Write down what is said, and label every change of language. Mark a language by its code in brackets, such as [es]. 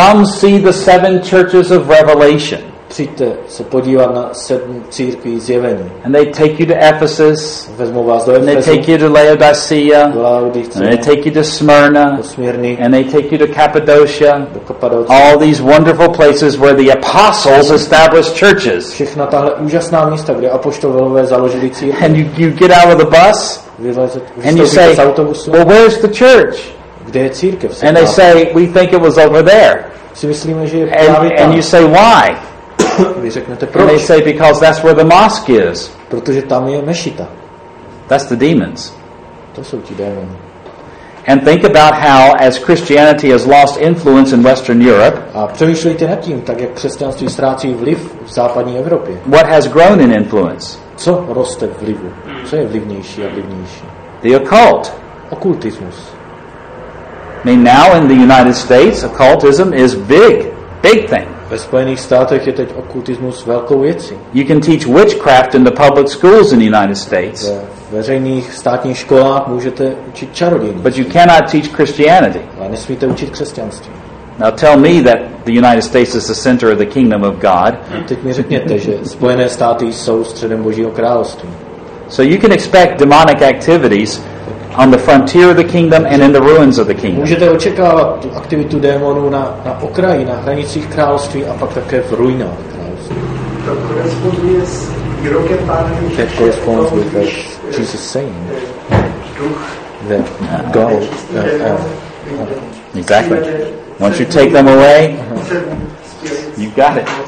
[en] Come see the seven churches of Revelation. [cs] Přijďte se podívat na sedm církví zjevení. [en] And they take you to Ephesus. [cs] Vezmou vás do Efesu. [en] And they take you to Laodicea. [cs] Do Laodicea. [en] And they take you to Smyrna. [cs] Do Smyrny. [en] And they take you to Cappadocia. [cs] Do Kapadocie. [en] All these wonderful places where the apostles established churches. [cs] Všechna tahle úžasná místa, kde apoštolové založili církve. [en] And you get out of the bus. And you say, well, where's the church? [cs] Kde je církev? [en] And they say, we think it was over there. [cs] Si myslíme, že je právě tam. [en] And you say, why? And they say because that's where the mosque is. [cs] Protože tam je mešita. [en] That's the demons. [cs] To jsou ti démoni. [en] And think about how, as Christianity has lost influence in Western Europe, [cs] a přemýšlejte nad tím, tak jak křesťanství ztrácí vliv v západní Evropě. [en] What has grown in influence? [cs] Co roste v vlivu? Co je vlivnější a vlivnější? [en] The occult. [cs] Okultismus. [en] I mean, now in the United States, occultism is big, big thing. [cs] Ve Spojených státech je teď okultismus velkou věcí. [en] You can teach witchcraft in the public schools in the United States. [cs] Ve veřejných státních školách můžete učit čarodějnictví. [en] But you cannot teach Christianity. [cs] Ale nesmíte učit křesťanství. [en] Now tell me that the United States is the center of the kingdom of God. [cs] Teď mi řekněte, že Spojené státy jsou středem Božího království. [en] So you can expect demonic activities on the frontier of the kingdom and in the ruins of the kingdom. [cs] Můžete očekávat tu aktivitu démonů na okraji, na hranicích království a pak také v ruinách království. [en] That corresponds with what Jesus is saying. That God. Exactly. Once you take them away, you've got it.